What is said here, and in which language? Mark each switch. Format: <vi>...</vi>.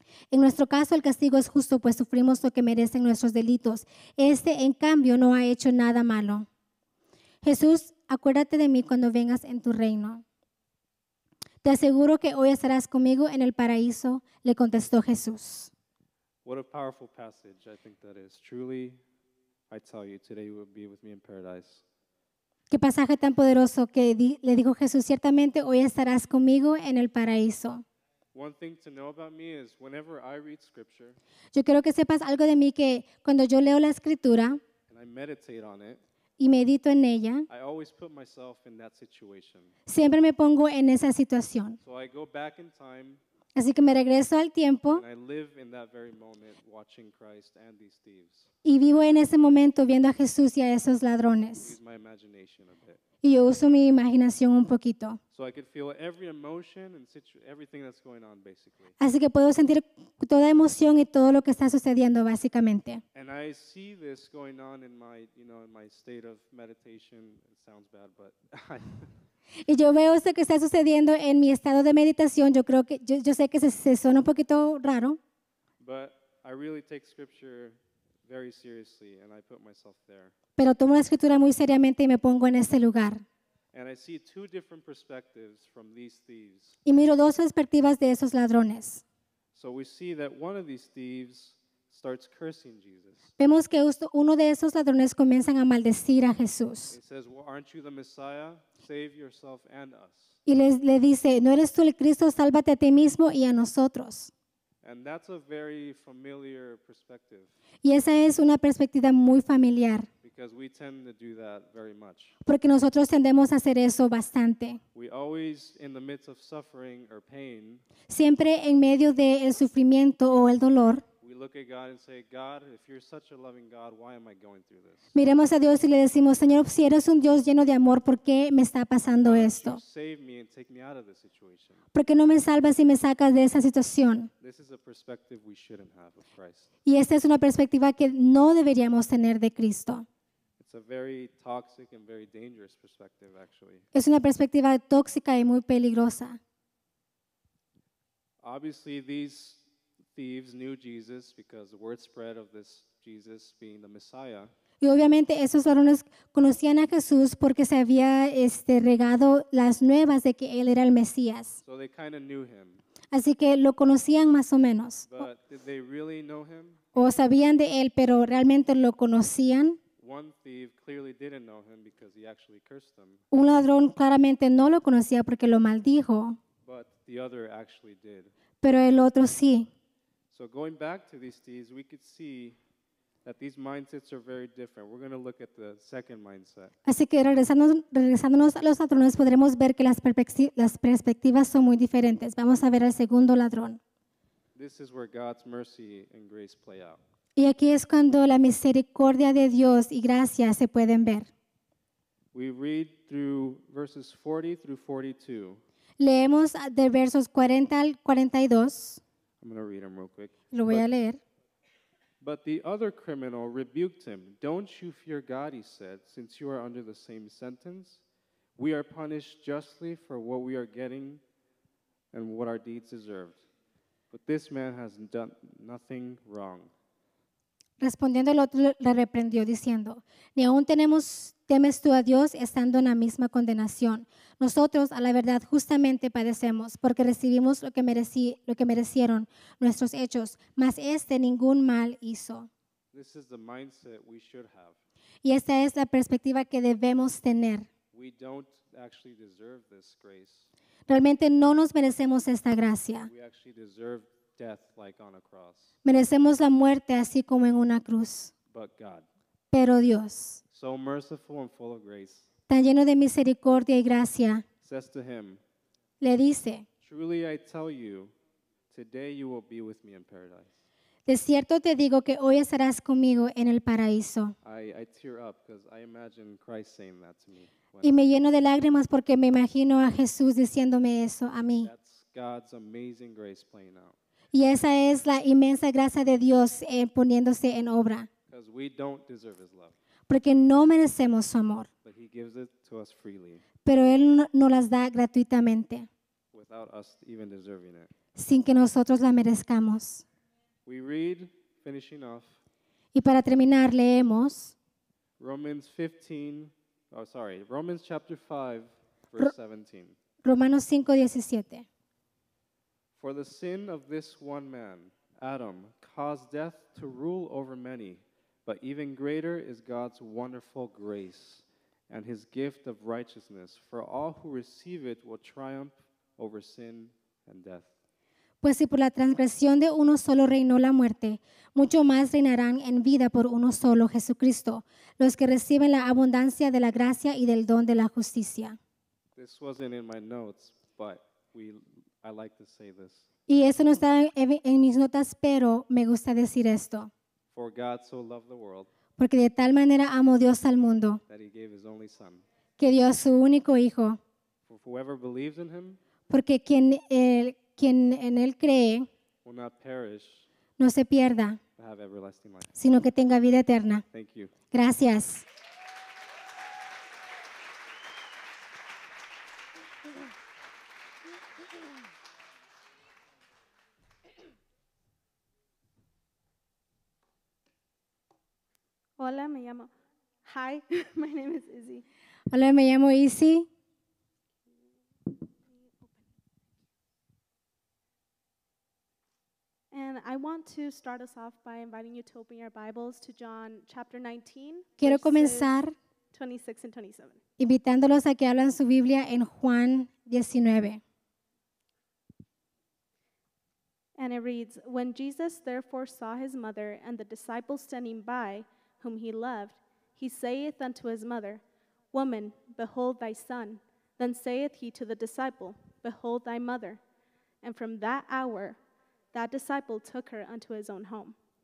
<es>En nuestro caso, el castigo es justo, pues sufrimos lo que merecen nuestros delitos. Este, en cambio, no ha hecho nada malo. Jesús, acuérdate de mí cuando vengas en tu reino. Te aseguro que hoy estarás conmigo en el paraíso, le contestó Jesús.</es> <en>What a powerful passage I think that is. Truly, I tell you, today you will be with me in paradise.</en> <es>Qué pasaje tan poderoso que le dijo Jesús, ciertamente hoy estarás conmigo en el paraíso.</es> <en>One thing to know about me is whenever I read scripture,</en> <es>yo quiero que sepas algo de mí que cuando yo leo la escritura,</es> <en>and I meditate on it,</en> <es>y medito en ella,</es> <en>I always put myself in that situation.</en> <es>Siempre me pongo en esa situación.</es> <en>So I go back in time,</en> <es>así que me regreso al tiempo,</es> <en>and I live in that very moment watching Christ and these thieves.</en> <es>Y vivo en ese momento viendo a Jesús y a esos ladrones.</es> <en>Use my imagination a bit.</en> <es>Y yo uso mi imaginación un poquito.</es> <en>So I could feel every emotion and everything that's going on, basically.</en> <es>Así que puedo sentir toda emoción y todo lo que está sucediendo, básicamente.</es> <en>And I see this going on in my, you know, in my state of meditation. It sounds bad, but</en> <es>y yo veo esto que está sucediendo en mi estado de meditación. Yo creo que yo sé que se suena un poquito raro.</es> <en>But I really take scripture very seriously and I put myself there.</en> <es>Pero tomo la escritura muy seriamente y me pongo en este lugar.</es> <en>And I see two different perspectives from these thieves.</en> <es>Y miro dos perspectivas de esos ladrones.</es> <en>So we see that one of these thieves starts cursing Jesus.</en> <es>Vemos que uno de esos ladrones comienzan a maldecir a Jesús.</es> <en>He says, "Well, aren't you the Messiah? Save yourself and us."</en> <es>Y le dice, "¿No eres tú el Cristo? Sálvate a ti mismo y a nosotros."</es> <en>And that's a very familiar perspective.</en> <es>Y esa es una perspectiva muy familiar.</es> <en>Because we tend to do that very much.</en> <es>Porque nosotros tendemos a hacer eso bastante.</es> <en>We always, in the midst of suffering or pain,</en> <es>siempre en medio de el sufrimiento o el dolor,</es> <en>we look at God and say, "God, if you're such a loving God, why am I going through this?"</en> <es>Miremos a Dios y le decimos, Señor, si eres un Dios lleno de amor, ¿por qué me está pasando esto?</es> <en>Save me and take me out of this situation.</en> <es>¿Por qué no me salvas y me sacas de esa situación?</es> <en>This is a perspective we shouldn't have of Christ.</en> <es>Y esta es una perspectiva que no deberíamos tener de Cristo.</es> <en>It's a very toxic and very dangerous perspective, actually.</en> <es>Es una perspectiva tóxica y muy peligrosa.</es> <en>Obviously, these thieves knew Jesus because the word spread of this Jesus being the Messiah.</en> <es>Y obviamente esos ladrones conocían a Jesús porque se había regado las nuevas de que él era el Mesías.</es> <en>So they kind of knew him.</en> <es>Así que lo conocían más o menos.</es> <en>But did they really know him?</en> <es>O sabían de él, pero realmente lo conocían.</es> <en>One thief clearly didn't know him because he actually cursed them.</en> <es>Un ladrón claramente no lo conocía porque lo maldijo.</es> <en>But the other actually did.</en> <es>Pero el otro sí.</es> <en>So going back to these thieves, we could see that these mindsets are very different. We're going to look at the second mindset.</en> <es>Así que regresándonos a los ladrones, podremos ver que las perspectivas son muy diferentes. Vamos a ver al segundo ladrón.</es> <en>This is where God's mercy and grace play out.</en> <es>Y aquí es cuando la misericordia de Dios y gracia se pueden ver.</es> <en>We read through verses 40 through 42.</en> <es>Leemos de versos 40 al 42.</es> <en>I'm going to read them real quick.</en> <es>Lo voy a leer.</es> <en>But the other criminal rebuked him. "Don't you fear God," he said, "since you are under the same sentence? We are punished justly for what we are getting and what our deeds deserved. But this man has done nothing wrong."</en> <es>Respondiendo el otro, le reprendió diciendo, "Ni aún temes tú a Dios estando en la misma condenación. Nosotros, a la verdad, justamente padecemos, porque recibimos lo que merecieron nuestros hechos, mas ningún mal hizo."</es> <en>This is the mindset we should have.</en> <es>Y esta es la perspectiva que debemos tener.</es> <en>We don't actually deserve this grace.</en> <es>Realmente no nos merecemos esta gracia.</es> <en>We actually deserve death, like on a cross.</en> <es>Merecemos la muerte así como en una cruz.</es> <en>But God.</en> <es>Pero Dios.</es> <en>So merciful and full of grace.</en> <es>Tan lleno de misericordia y gracia.</es> <en>Says to him.</en> <es>Le dice.</es> <en>Truly I tell you, today you will be with me in paradise.</en> <es>De cierto te digo que hoy estarás conmigo en el paraíso.</es> <en>I tear up because I imagine Christ saying that to me.</en> <es>Y me lleno de lágrimas porque me imagino a Jesús diciéndome eso a mí.</es> <en>That's God's amazing grace playing out.</en> <es>Y esa es la inmensa gracia de Dios poniéndose en obra.</es> <en>Because we don't deserve his love.</en> <es>Porque no merecemos su amor.</es> <en>But he gives it to us freely.</en> <es>Pero él no las da gratuitamente.</es> <en>Without us even deserving it.</en> <es>Sin que nosotros la merezcamos.</es> <en>We read, finishing off.</en> <es>Y para terminar leemos</es> <en>Romans chapter 5 verse 17.</en> <es>Romanos 5:17.</es> <en>For the sin of this one man, Adam, caused death to rule over many, but even greater is God's wonderful grace and his gift of righteousness. For all who receive it will triumph over sin and death.</en> <es>Pues si por la transgresión de uno solo reinó la muerte, mucho más reinarán en vida por uno solo, Jesucristo, los que reciben la abundancia de la gracia y del don de la justicia.</es> <en>This wasn't in my notes, but I like to say this.</en> <es>Y eso no está en mis notas, pero me gusta decir esto.</es> <en>For God so loved the world,</en> <es>porque de tal manera amó Dios al mundo,</es> <en>that he gave his only son,</en> <es>que dio a su único hijo.</es> <en>For whoever believes in him,</en> <es>porque quien quien en él cree</es> <en>will not perish,</en> <es>no se pierda,</es> <en>but have everlasting life,</en> <es>sino que tenga vida eterna.</es> <en>Thank you.</en> <es>Gracias. Hola, me llamo.</es> <en>Hi, my name is Izzy.</en> <es>Hola, me llamo Izzy.</es> <en>And I want to start us off by inviting you to open your Bibles to John chapter 19.</en> <es>Quiero comenzar</es> <en>26 and 27.</en> <es>Invitándolos a que abran su Biblia en Juan 19.</es> <en>And it reads, "When Jesus therefore saw his mother and the disciples standing by, whom he loved, he saith unto his mother, Woman, behold thy son. Then saith he to the disciple, Behold thy mother. And from that hour, that disciple took her unto his own home."</en>